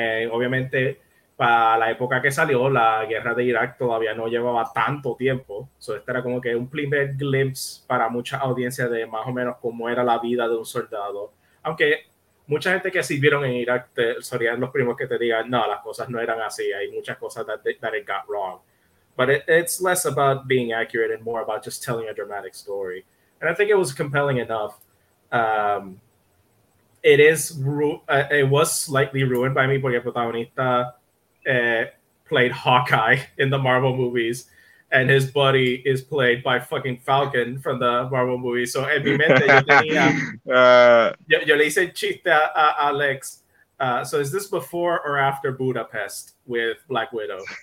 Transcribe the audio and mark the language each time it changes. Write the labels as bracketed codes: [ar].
[es] Obviamente, para la época que salió, la guerra de Irak todavía no llevaba tanto tiempo. [en] So [es] este era como que un primer glimpse para mucha audiencia de más o menos cómo era la vida de un soldado. Aunque mucha gente que sirvieron en Irak serían los primos que te digan, no, las cosas no eran así. Hay muchas cosas [en] that it got wrong. But it's less about being accurate and more about just telling a dramatic story. And I think it was compelling enough. It was slightly ruined by me [es] porque protagonista [en] played Hawkeye in the Marvel movies, and his buddy is played by fucking Falcon from the Marvel movies. So [es] en mi mente yo tenía, yo le hice chiste a Alex. [en] So is this before or after Budapest with Black Widow?